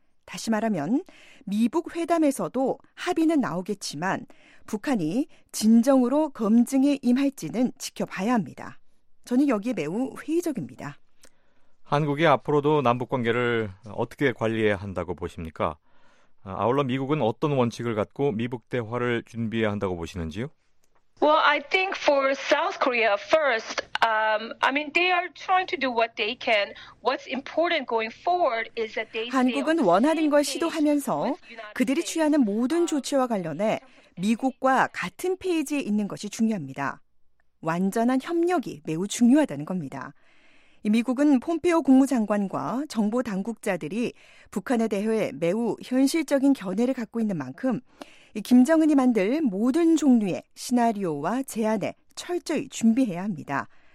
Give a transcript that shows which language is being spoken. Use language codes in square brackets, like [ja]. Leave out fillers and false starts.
[ko] 다시 말하면 미북 회담에서도 합의는 나오겠지만 북한이 진정으로 검증에 임할지는 지켜봐야 합니다. 저는 여기에 매우 회의적입니다. 한국이 앞으로도 남북관계를 어떻게 관리해야 한다고 보십니까? 아울러 미국은 어떤 원칙을 갖고 미북 대화를 준비해야 한다고 보시는지요? [en] Well, I think for South Korea first, I mean they are trying to do what they can. What's important going forward is that they [ko] 한국은 원하는 걸 시도하면서 그들이 취하는 모든 조치와 관련해 미국과 같은 페이지에 있는 것이 중요합니다. 완전한 협력이 매우 중요하다는 겁니다. 미국은 폼페오 국무장관과 정보 당국자들이 북한에 대해 매우 현실적인 견해를 갖고 있는 만큼 김정은이 만들 모든 종류의 시나리오와 제안에 철저히 준비해야 합니다.